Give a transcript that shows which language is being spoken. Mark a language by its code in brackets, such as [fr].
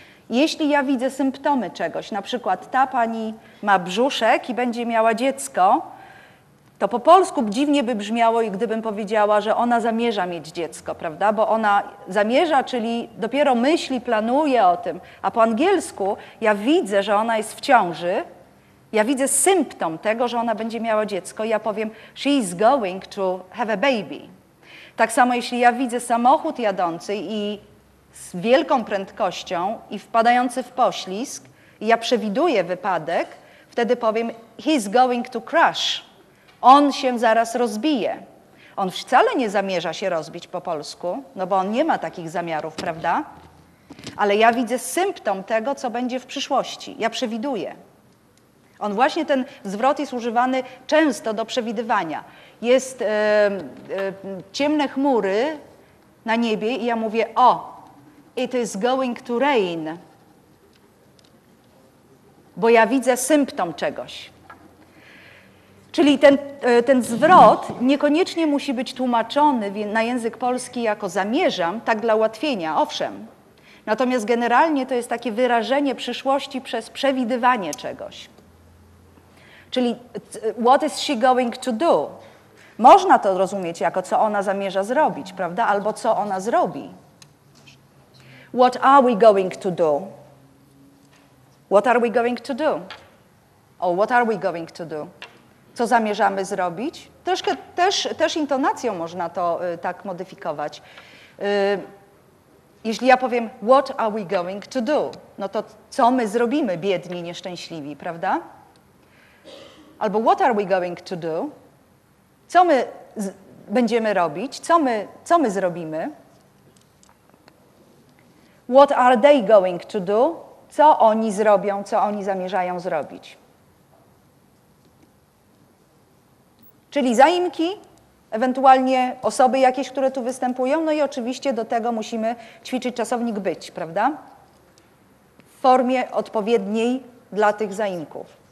[pl] Jeśli ja widzę symptomy czegoś, na przykład ta pani ma brzuszek i będzie miała dziecko, to po polsku dziwnie by brzmiało, gdybym powiedziała, że ona zamierza mieć dziecko, prawda? Bo ona zamierza, czyli dopiero myśli, planuje o tym. A po angielsku ja widzę, że ona jest w ciąży. Ja widzę symptom tego, że ona będzie miała dziecko. Ja powiem, [en] she is going to have a baby. [pl] Tak samo, jeśli ja widzę samochód jadący i z wielką prędkością i wpadający w poślizg, i ja przewiduję wypadek, wtedy powiem, [en] he is going to crash. [pl] On się zaraz rozbije. On wcale nie zamierza się rozbić po polsku, no bo on nie ma takich zamiarów, prawda? Ale ja widzę symptom tego, co będzie w przyszłości. Ja przewiduję. On właśnie, ten zwrot jest używany często do przewidywania. Jest ciemne chmury na niebie i ja mówię, o, [en] it is going to rain. [pl] Bo ja widzę symptom czegoś. Czyli ten zwrot niekoniecznie musi być tłumaczony na język polski jako zamierzam, tak dla ułatwienia, owszem. Natomiast generalnie to jest takie wyrażenie przyszłości przez przewidywanie czegoś. [en] Czyli what is she going to do? [pl] Można to rozumieć jako co ona zamierza zrobić, prawda? Albo co ona zrobi. [en] What are we going to do? What are we going to do? Oh, what are we going to do? [pl] Co zamierzamy zrobić? Troszkę też intonacją można to tak modyfikować. Jeśli ja powiem, [en] what are we going to do? [pl] No to co my zrobimy, biedni, nieszczęśliwi, prawda? Albo [en] what are we going to do? [pl] Co my będziemy robić? Co my zrobimy? [en] What are they going to do? [pl] Co oni zrobią, co oni zamierzają zrobić? Czyli zaimki, ewentualnie osoby jakieś, które tu występują, no i oczywiście do tego musimy ćwiczyć czasownik być, prawda? W formie odpowiedniej dla tych zaimków.